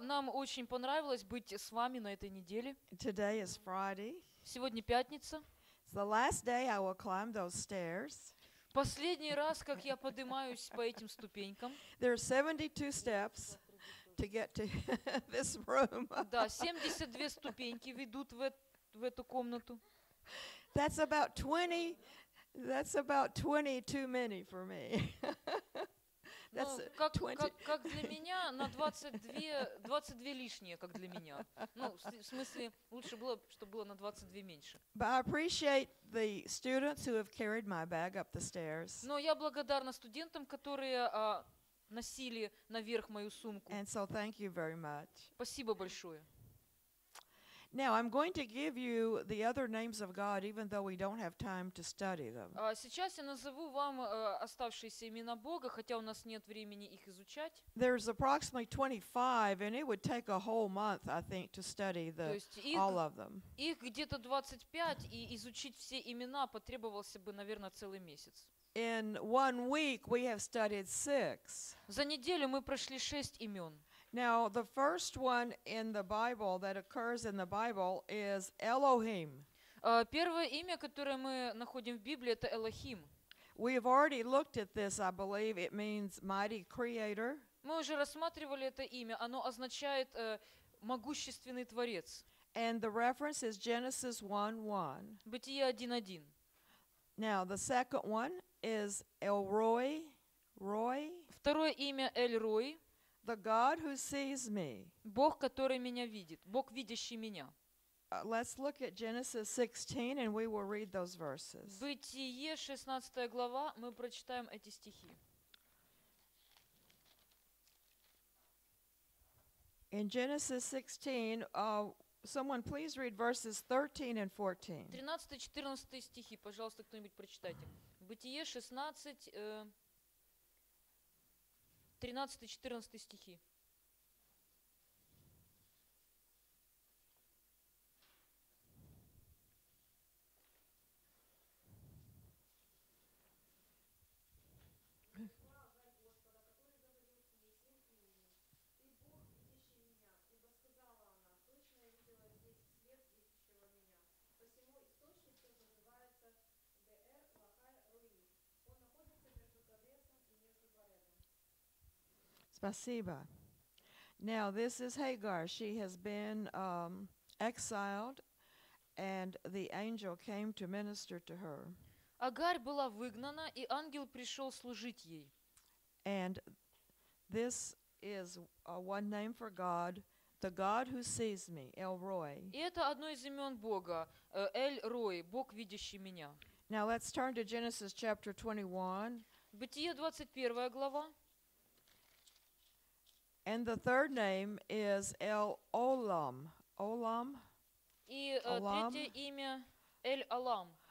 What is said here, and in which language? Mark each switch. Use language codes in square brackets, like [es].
[ru] Нам очень понравилось быть с вами на этой неделе. [en] Today is Friday. [ru] Сегодня пятница. [en] It's the last day I will climb those stairs. [ru] Последний раз, как я поднимаюсь по этим ступенькам. [en] There are 72 steps to get to this room. [ru] Да, 72 ступеньки ведут в эту комнату. [en] That's about 20. That's about 20 too many for me. That's 20. [ru] Как для меня на 22 лишние, как для меня. Ну, в смысле, лучше было, чтобы было на 22 меньше. [en] But I appreciate the students who have carried my bag up the stairs. [ru] Но я благодарна студентам, которые носили наверх мою сумку. [en] And so thank you very much. [ru] Спасибо большое. [en] Now I'm going to give you the other names of God, even though we don't have time to study them. [ru] Сейчас я назову вам оставшиеся имена Бога, хотя у нас нет времени их изучать. [en] There's approximately 25, and it would take a whole month, I think, to study the all of them. [ru] Их где-то 25, и изучить все имена потребовался бы, наверное, целый месяц. [en] In 1 week, we have studied 6. [ru] За неделю мы прошли 6 имен. [en] Now the first one in the Bible that occurs in the Bible is Elohim. [ru] Первое имя, которое мы находим в Библии, это Элохим. [en] We have already looked at this, I believe. It means mighty creator. [ru] Мы уже рассматривали это имя. Оно означает могущественный творец. [en] And the reference is Genesis 1:1. [ru] Бытие 1:1. [en] Now the second one is Elroy. [ru] Второе имя Эльрой. [en] The God who sees me. [ru] Бог, который меня видит. Бог, видящий меня. [en] Let's look at Genesis 16 and we will read those verses. [ru] Бытие, 16 глава, мы прочитаем эти стихи. [en] In Genesis 16, someone please read verses 13 and 14. [ru] 13, 14 стихи, пожалуйста, кто-нибудь прочитайте. Бытие, 16... 13-14 стихи. Спасибо. [en] Now this is Hagar. She has been exiled, and the angel came to minister to her. [ru] Агар была выгнана, и ангел пришел служить ей. [en] And this is one name for God, the God who sees me, Elroy. [ru] И это одно из имен Бога, Эль-Рой, Бог, видящий меня. [en] Now let's turn to Genesis chapter 21. [ru] Бытие 21 глава. [en] And the third name is El-Olam. Olam? [ru] И третье имя El-Olam.